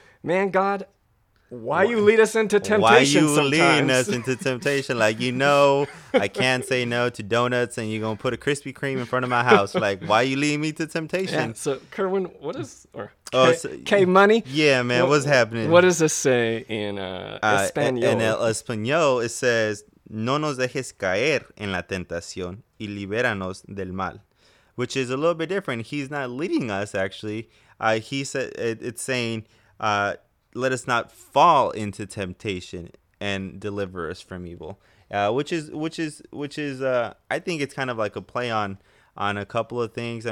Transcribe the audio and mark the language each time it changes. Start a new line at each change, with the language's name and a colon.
English: Man, God, why you lead us into temptation? Why you sometimes? Leading us into temptation? Like, you know, I can't say no to donuts, and you're gonna put a Krispy Kreme in front of my house. Like, why you leading me to temptation? Yeah, so, Kerwin, what is or K-Money? Yeah, man, what's happening? What does this say in español?
Spanish: En el español,
English: it says,
Spanish: "No nos dejes caer en la tentación." Y libéranos del mal,
English: which is a little bit different. He's not leading us, actually. He said it's saying, let us not fall into temptation and deliver us from evil, which is I think it's kind of like a play on a couple of things.